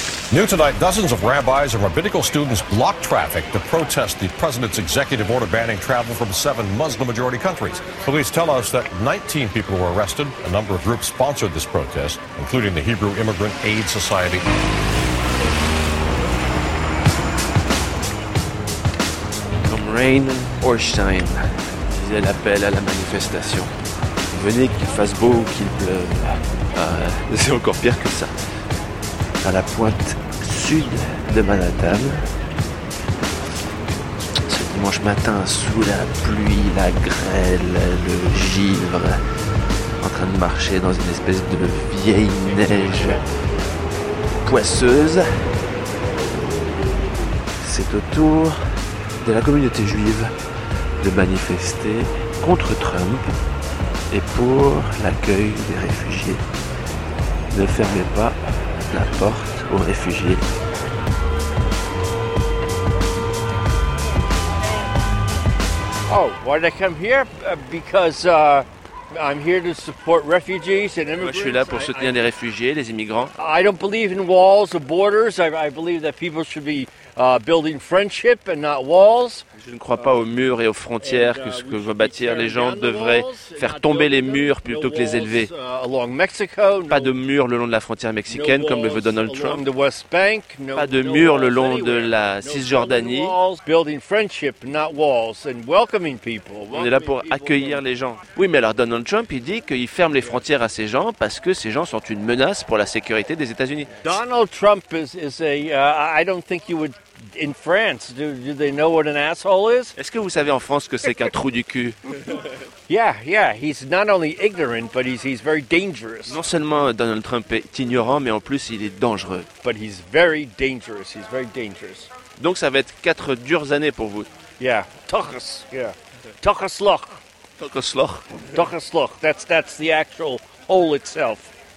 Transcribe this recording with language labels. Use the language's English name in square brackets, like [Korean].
[English] New tonight, dozens of rabbis and rabbinical students blocked traffic to protest the president's executive order banning travel from seven Muslim-majority countries. Police tell us that 19 people were arrested. A number of groups sponsored this protest, including the Hebrew Immigrant Aid Society. Come rain or shine, [French] disait l'appel à la manifestation. Venez qu'il fasse beau ou qu'il pleuve. C'est encore pire que ça. À la pointe sud de Manhattan. Ce dimanche matin, sous la pluie, la grêle, le givre, en train de marcher dans une espèce de vieille neige poisseuse, c'est au tour de la communauté juive de manifester contre Trump et pour l'accueil des réfugiés. Ne fermez pas la porte aux réfugiés. [English] Oh, why did I come here? Because I'm here to support refugees and immigrants. [French] Moi, je suis là pour soutenir les réfugiés, les immigrants. [English] I don't believe in walls or borders. I believe that people should be building friendship and not walls. [French] Je ne crois pas aux murs et aux frontières, que ce que veulent bâtir les gens devrait faire tomber les murs plutôt que les élever. Pas de murs le long de la frontière mexicaine, comme le veut Donald Trump. Pas de murs le long de la Cisjordanie. On est là pour accueillir les gens. Oui, mais alors Donald Trump, il dit qu'il ferme les frontières à ces gens parce que ces gens sont une menace pour la sécurité des États-Unis. [English] Donald Trump is a... I don't think you would... In France, do they know what an asshole is? [French] Est-ce que vous savez en France ce que c'est qu'un trou du cul? [English] Yeah, he's not only ignorant, but he's very dangerous. [French] Non seulement Donald Trump est ignorant, mais en plus il est dangereux. [English] But he's very dangerous, he's very dangerous. [French] Donc ça va être quatre dures années pour vous. [English] Tochasloch. Tochasloch, that's the actual hole itself.